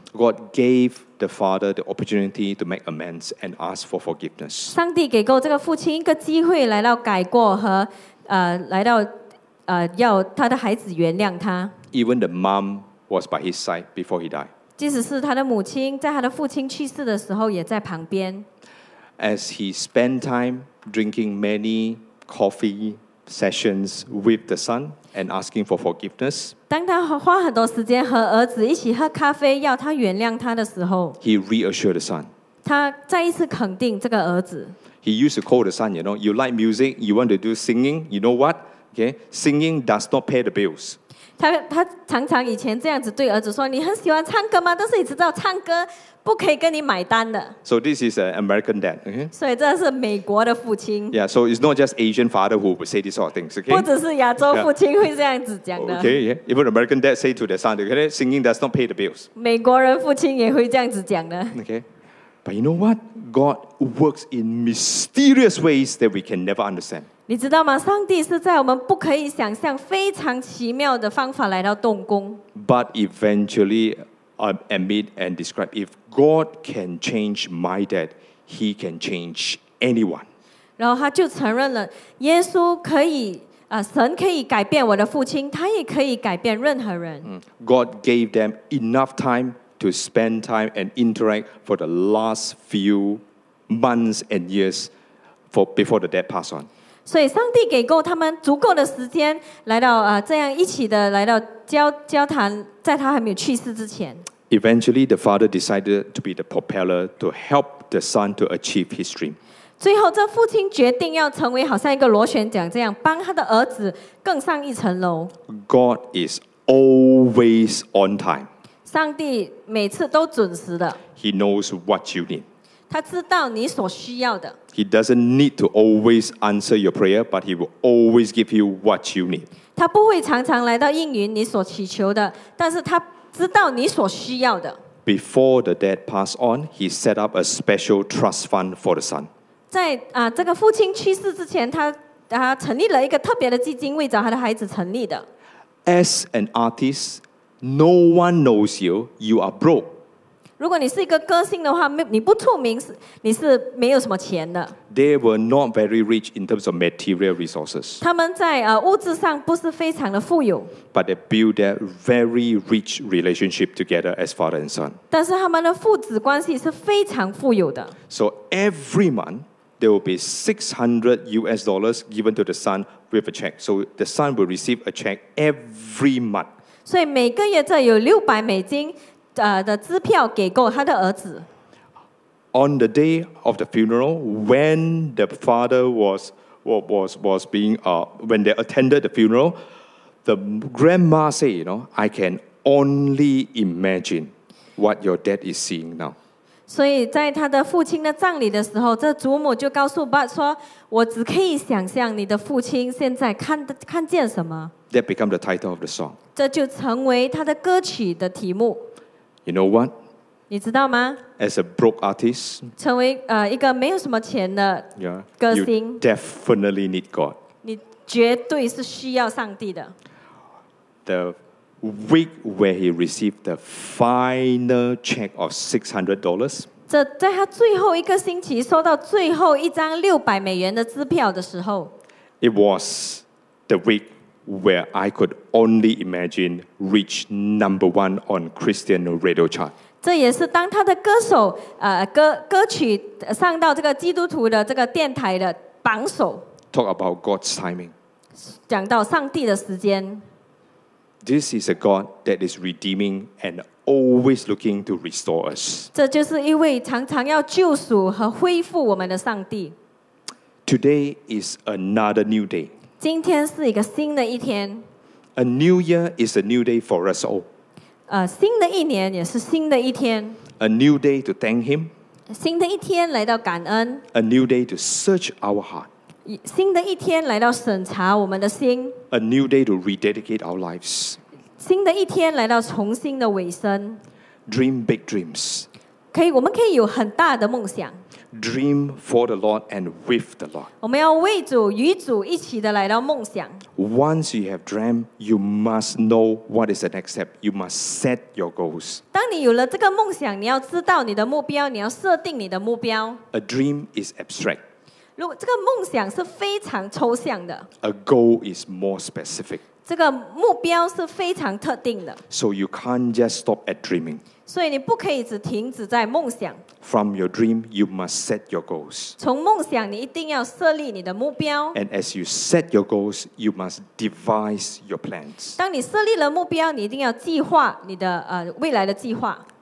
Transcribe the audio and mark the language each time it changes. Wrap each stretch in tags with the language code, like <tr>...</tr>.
<en>God gave the father the opportunity to make amends and ask for forgiveness.</en> <zh>上帝给够这个父亲一个机会来到改过和来到要他的孩子原谅他。</zh> <en>Even the mom was by his side before he died.</en> <zh>即使是他的母亲在他的父亲去世的时候也在旁边。</zh> <en>As he spent time drinking many coffee sessions with the son. And asking for forgiveness.</en> <zh>当他花很多时间和儿子一起喝咖啡，要他原谅他的时候</zh> <en>，He reassured the son.</en> <zh>他再一次肯定这个儿子。</zh> <en>He used to call the son. You know, you like music. You want to do singing. You know what? Okay, singing does not pay the bills.</en> <zh>他常常以前这样子对儿子说：“你很喜欢唱歌吗？但是你知道唱歌不可以跟你买单的。”</zh> <en>So this is an American dad. Okay.</en> <zh>所以这是美国的父亲。</zh> <en>Yeah. So it's not just Asian father who would say these sort of things. Okay.</en> <zh>不只是亚洲父亲会这样子讲的。</zh> <en>Okay. Yeah. Even American dad say to their son, "Okay, singing does not pay the bills."</en> <zh>美国人父亲也会这样子讲的。</zh> <en>Okay. But you know what? God works in mysterious ways that we can never understand.</en> <zh>你知道吗？上帝是在我们不可以想象、非常奇妙的方法来到动工。</zh> <en>But eventually, I admit and describe, if God can change my dad, He can change anyone.</en> <zh>然后他就承认了，耶稣可以，神可以改变我的父亲，他也可以改变任何人。</zh> <en>God gave them enough time to spend time and interact for the last few months and years before the dad passed on.</en> <zh>所以上帝给够他们足够的时间来到这样一起的来到 交谈在他还没有去世之前。</zh> <en>Eventually, the father decided to be the propeller to help the son to achieve his dream.</en> <zh>最后这父亲决定要成为好像一个螺旋桨这样帮他的儿子更上一层楼。</zh> <en>God is always on time.</en> <zh>上帝每次都准时的。</zh> <en>He knows what you need.</en> <zh>他知道你所需要的。</zh> <en>He doesn't need to always answer your prayer, but he will always give you what you need.</en> <zh>他不会常常来到应允你所祈求的，但是他知道你所需要的。</zh> <en>Before the dad passed on, he set up a special trust fund for the son.</en> <zh>在啊这个父亲去世之前，他啊成立了一个特别的基金，为找他的孩子成立的。</zh> <en>As an artist, no one knows you. You are broke.</en> <zh>如果你是一个歌星的话，你不出名，你是没有什么钱的。</zh> <en>They were not very rich in terms of material resources.</en> <zh>他们在啊物质上不是非常的富有。</zh> <en>But they built a very rich relationship together as father and son.</en> <zh>但是他们的父子关系是非常富有的。</zh> <en>So every month. There will be $600 given to the son with a check. So the son will receive a check every month.</en> <zh>所以每个月这有$600的支票给过他的儿子。</zh> <en>On the day of the funeral, when the father was being when they attended the funeral, the grandma said, "You know, I can only imagine what your dad is seeing now."</en> <zh>所以在他的父亲的葬礼的时候，这祖母就告诉爸说：“我只可以想象你的父亲现在 看见什么。”</zh> <en>That become the title of the song.</en> <zh>这就成为他的歌曲的题目。</zh> <en>You know what?</en> <zh>你知道吗</zh> <en>？As a broke artist,</en> <zh>成为一个没有什么钱的歌星</zh> <en>you definitely need God.</en> <zh>你绝对是需要上帝的。</zh> <en>The week where he received the final check of $600.</en> <zh>这在他最后一个星期收到最后一张$600的支票的时候</zh> <en>，It was the week where I could only imagine reach number one on Christian radio chart.</en> <zh>这也是当他的歌手歌曲上到这个基督徒的这个电台的榜首。</zh> <en>Talk about God's timing.</en> <zh>讲到上帝的时间。</zh> <en>This is a God that is redeeming and always looking to restore us.</en> <zh>这就是一位常常要救赎和恢复我们的上帝。</zh> <en>Today is another new day.</en> <zh>今天是一个新的一天。</zh> <en>A new year is a new day for us all.</en> <zh>新的一年也是新的一天。</zh> <en>A new day to thank Him.</en> <zh>新的一天来到感恩。</zh> <en>A new day to search our heart.</en> <zh>新的一天来到审查我们的心。</zh> <en>A new day to rededicate our lives.</en> <zh>新的一天来到重新的尾声。</zh> <en>Dream big dreams.</en> <zh>可以，我们可以有很大的梦想。</zh> <en>Dream for the Lord and with the Lord.</en> <zh>我们要为主与主一起的来到梦想。</zh> <en>Once you have dreamt, you must know what is the next step. You must set your goals.</en> <zh>当你有了这个梦想，你要知道你的目标，你要设定你的目标。</zh> <en>A dream is abstract.</en> <zh>如果这个梦想是非常抽象的</zh> <en>，A goal is more specific.</en> <zh>这个目标是非常特定的</zh> <en>，So you can't just stop at dreaming.</en> <zh>所以你不可以只停止在梦想。</zh> <en>From your dream, you must set your goals.</en> <zh>从梦想，你一定要设立你的目标。</zh> <en>And as you set your goals, you must devise your plans.</en> <zh>当你设立了目标，你一定要计划你的未来的计划。</zh>